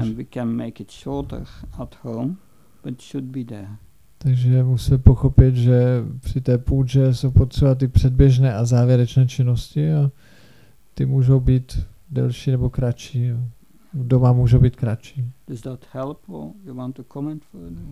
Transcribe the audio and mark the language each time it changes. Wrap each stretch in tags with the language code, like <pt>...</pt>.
<en>And we can make it shorter at home, but it should be there.</en> <cs>Takže musíme pochopit, že při té půdže jsou potřeba ty předběžné a závěrečné činnosti a ty můžou být delší nebo kratší. Doma můžou být kratší.</cs> <en>Does that help or you want to comment further?</en>